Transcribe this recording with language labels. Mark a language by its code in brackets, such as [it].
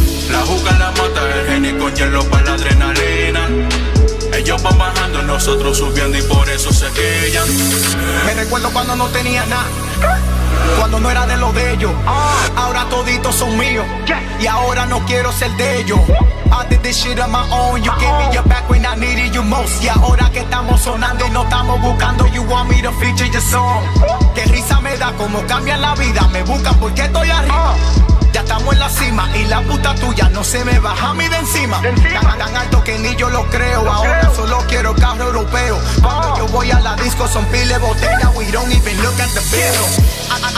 [es] La juca la mata, el genio con hielo para la adrenalina. Ellos van bajando, nosotros subiendo y por eso se quillan. Me recuerdo cuando no tenía nada, cuando no era de los de ellos. Ahora toditos son míos, y ahora no quiero ser de ellos. [en] I did this shit on my own, you gave me your back when I needed you most. [es] Y ahora que estamos sonando y no estamos buscando, [en] you want me to feature your song. [es] Qué risa me da como cambia la vida, me buscan porque estoy arriba. Ya estamos en la cima y la puta tuya no se me baja a mí de encima. Estaba tan alto que ni yo lo creo, ahora solo quiero carro europeo. Cuando yo voy a la disco son pile botella, [en] we don't even look at the bill.